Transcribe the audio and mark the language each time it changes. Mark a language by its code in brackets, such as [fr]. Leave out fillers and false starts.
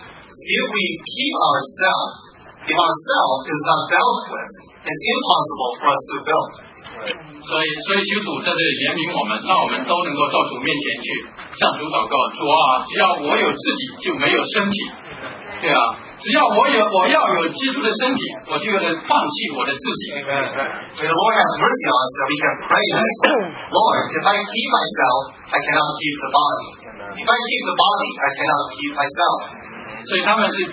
[en] So if ourselves is not dealt with, it's impossible for us to build. [zh] 所以基督在这里怜悯我们，让我们都能够到主面前去向主祷告，主啊，只要我有自己，就没有身体，对啊，只要我要有基督的身体，我就要放弃我的自己。 [en] May the Lord have mercy on us that we can pray this. Lord, if I keep myself, I cannot keep the body. If I keep the body, I cannot keep myself.